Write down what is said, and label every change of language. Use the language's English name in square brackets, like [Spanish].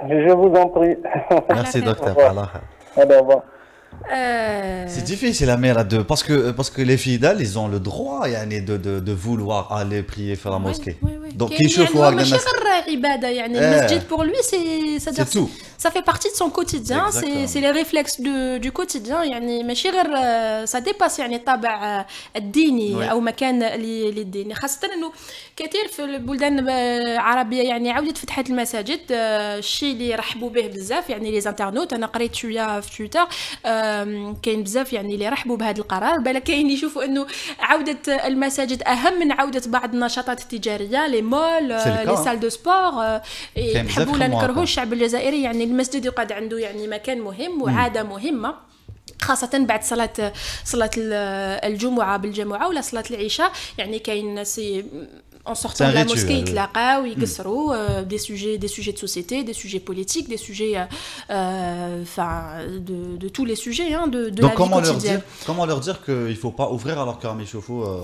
[French] Je vous en prie. Merci, docteur. Allez, au revoir. C'est difficile la mère de parce que les fidèles ils ont le droit يعني de vouloir aller prier faire la mosquée. Oui. Donc il faut [Arabic] ibada يعني المسجد [French] pour lui c'est tout. Ça fait partie de son quotidien, c'est les réflexes du quotidien [Arabic] يعني ماشي غير [French] ça dépasse [Arabic] يعني الطابع الديني او مكان اللي الديني خاصه انه كثير في البلدان العربيه يعني عاودت فتحت المساجد الشيء اللي رحبوا به بزاف يعني لي انترنوت. انا قريت شويه في تويتر كاين بزاف يعني اللي رحبوا بهذا القرار، بل كاين اللي يشوفوا انه عوده المساجد اهم من عوده بعض النشاطات التجاريه، لي مول، لي سال دو سبور. يحبوا ولا نكرهوا الشعب الجزائري يعني المسجد يقعد عنده يعني مكان مهم وعاده مهمه، خاصة بعد صلاة الجمعة بالجمعة ولا صلاة العشاء. يعني كاين ناس [French] En sortant de la mosquée, ils [Arabic] tlaqaw, ygsrou, [French] des sujets de société, des sujets politiques, des sujets de tous les sujets hein, de Donc la vie quotidienne. Donc comment leur dire qu'il ne faut pas ouvrir alors qu'un méchoufou